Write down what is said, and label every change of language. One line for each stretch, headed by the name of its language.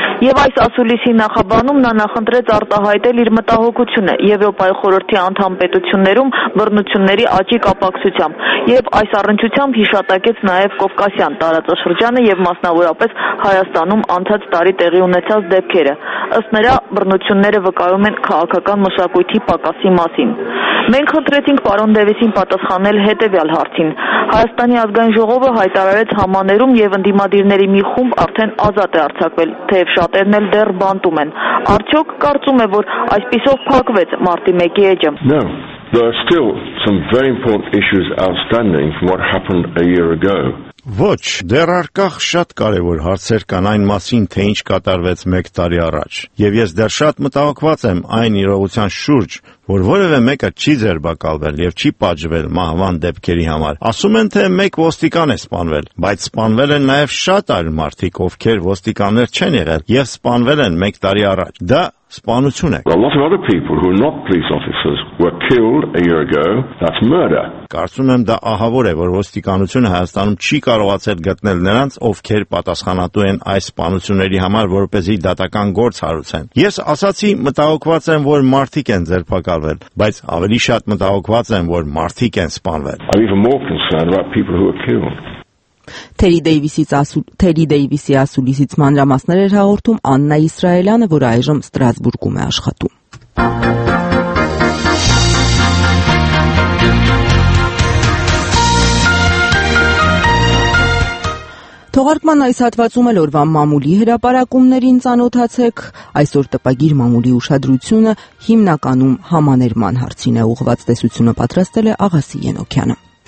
Armenian: Եվ այս ասուլիսի նախաբանում նա նախընտրեց արտահայտել իր մտահոգությունը Եվրոպայի խորհրդի անդամ պետություններում բռնությունների աճի կապակցությամբ։ Եվ այս առնչությամբ հիշատակեց նաև Կովկասյան տարածաշրջանը և մասնավորապես Հայաստանում անցած տարի տեղի ունեցած դեպքերը։ Ըստ նրա, բռնությունները վկայում են քաղաքական մշակույթի պակասի մասին։ Մենք խնդրեցինք պարոն Դեյվիսին պատասխանել հետևյալ հարցին. Հայաստանի ազգային ժողովը հայտարարեց համաներում և ընդդիմադիրների մի խումբ արդեն ազատ է արձակվել, թեև շատերն էլ դեռ բանտում են։ Արդյոք կարծում է, որ այսպիսով փակվեց մարտի 1-ի էջը։
English: There are still some very important issues outstanding from what happened a year ago.
Armenian: Ոչ, դեռ արկա շատ կարևոր հարցեր կան այն մասին, թե ինչ կատարվեց 1 տարի առաջ։ Եվ ես դեռ շատ մտահոգված եմ այն իրողության շուրջ, որ որևէ մեկը չի ձերբակալվել եւ չի պատժվել մահվան դեպքերի համար։ Ասում են, թե մեկ ոստիկան է սպանվել, բայց սպանվել են նաեւ շատ այլ մարդիկ, ովքեր ոստիկաններ չեն եղել եւ սպանվել են 1 տարի առաջ։ Դա սպանություն է։
English: A lot of other people who are not police officers were killed a year ago. That's murder.
Armenian: Կարծում եմ դա ահավոր է, որ ոստիկանությունը Հայաստանում չի կարողացել գտնել նրանց, ովքեր պատասխանատու են այս սպանությունների համար, որպեսզի դատական գործ հարուցեն։ Ես ասացի, մտահոգված եմ, որ մարդիկ են ձերբակալվել, բայց ավելի շատ մտահոգված եմ, որ մարդիկ են սպանվել։
English: I'm even more concerned about people who are killed.
Armenian: Թերի Դեյվիսի ասուլիսից մանրամասներ էր հաղորդում Աննա Իսրայելյանը, որ այժմ Ստրասբուրգում է աշխատում։ Թողարկման այս հատվածում էլ օրվա մամուլի հրապարակումներին ծանոթացեք, այսօր տպագիր մամուլի ուշադրությունը հիմնականում համաներման հարցին է ուղղված, տեսությունը պատրաստել է Աղասի Ենոքյանը։